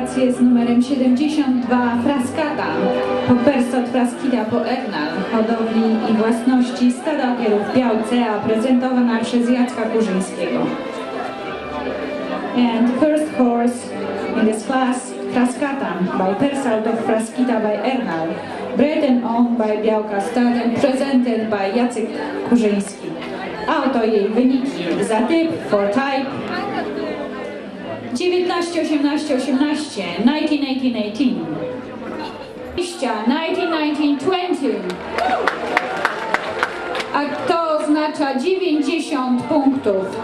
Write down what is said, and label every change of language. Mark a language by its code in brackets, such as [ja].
[pl] Z numerem 72 Frascata, po Persot Frascida po Egnal, hodowli i własności stada ogierów Białcea, prezentowana przez Jacka Kurzyńskiego. [en] And first horse in this class, Frascata, by Persot of Frascida by Egnal, bred and owned by Białka Stad and presented by Jacek Kurzyński. [pl] A oto jej wyniki za typ, [en] for type. 19-18-18, 19-18-18, 19-19-20. [pl] A to oznacza 90 punktów.